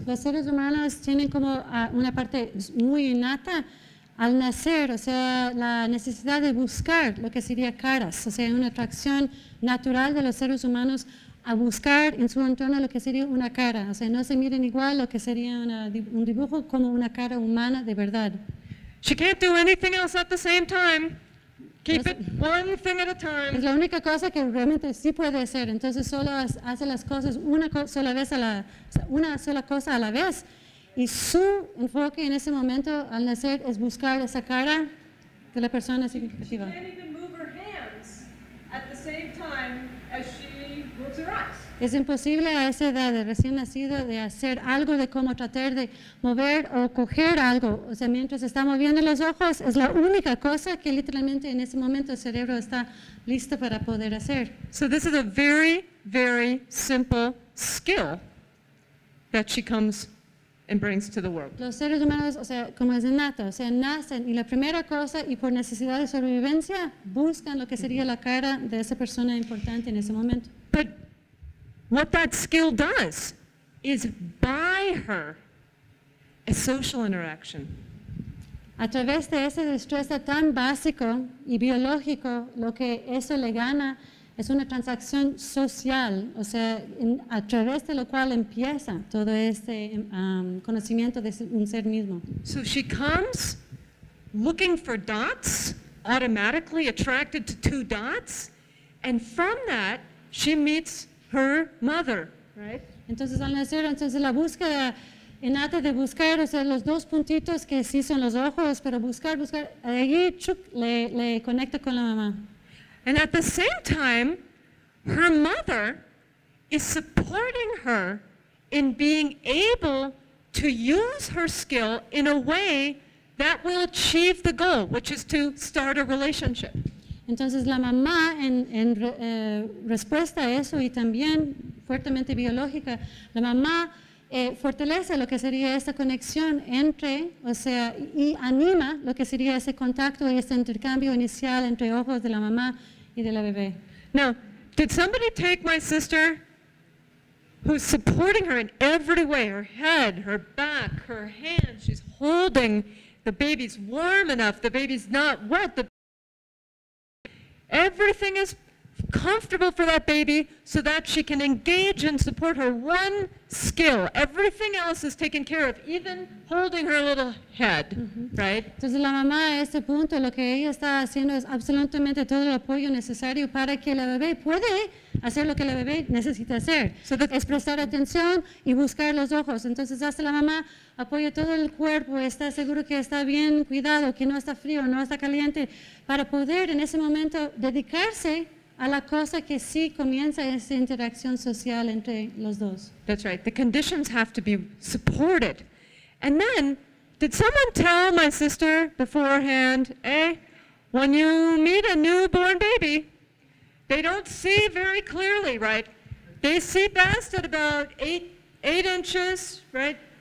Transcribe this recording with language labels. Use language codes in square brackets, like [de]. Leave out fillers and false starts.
[es] Los seres humanos tienen como una parte muy innata al nacer, o sea, la necesidad de buscar lo que sería caras, o sea, una atracción natural de los seres humanos a buscar en su entorno lo que sería una cara. O sea, no se miren igual lo que sería un dibujo como una cara humana de verdad. [en] She can't do anything else at the same time. Keep it one thing at a time. [es] Es la única cosa que realmente sí puede hacer. Entonces solo hace las cosas una sola cosa a la vez. Y su enfoque en ese momento al nacer es buscar esa cara de la persona significativa. [en] She can't even move her hands at the same time as she moves her eyes. [es] Es imposible a esa edad de recién nacido de hacer algo de cómo tratar de mover o coger algo. O sea, mientras está moviendo los ojos, es la única cosa que literalmente en ese momento el cerebro está listo para poder hacer. [en] So this is a very, very simple skill that she comes and brings to the world. [es] Los seres humanos, o sea, como es innato, o sea, nacen y la primera cosa y por necesidad de sobrevivencia buscan lo que sería la cara de esa persona importante en ese momento. [en] But what that skill does is buy her a social interaction. [es] A través de ese destreza tan básico y biológico, lo que eso le gana es una transacción social, o sea, a través de lo cual empieza todo este conocimiento de un ser mismo. [en] So she comes looking for dots, automatically attracted to two dots, and from that she meets her mother, right? [es] Entonces al nacer, entonces la búsqueda innata de buscar, o sea, los dos puntitos que sí son los ojos, pero buscar, ahí chuk, le conecta con la mamá. [en] And at the same time, her mother is supporting her in being able to use her skill in a way that will achieve the goal, which is to start a relationship. [es] Entonces la mamá, en respuesta a eso y también fuertemente biológica, la mamá fortalece lo que sería esta conexión entre, o sea, y anima lo que sería ese contacto y ese intercambio inicial entre ojos de la mamá y de la bebé. [en] Now, did somebody take my sister, who's supporting her in every way, her head, her back, her hands, she's holding, the baby's warm enough, the baby's not wet, everything is comfortable for that baby so that she can engage and support her one skill. Everything else is taken care of, even holding her little head, mm-hmm. Right? [es] Entonces la mamá a este punto lo que ella está haciendo es absolutamente todo el apoyo necesario para que la bebé puede hacer lo que la bebé necesita hacer. [en] So [es] es prestar atención y buscar los ojos. Entonces hace la mamá, apoya todo el cuerpo, está seguro que está bien cuidado, que no está frío, no está caliente, para poder en ese momento dedicarse a la cosa que sí comienza esa interacción social entre los dos. [en] That's right. The conditions have to be supported. And then, did someone tell my sister beforehand, when you meet a newborn baby, they don't see very clearly, right? They see best at about eight inches, right?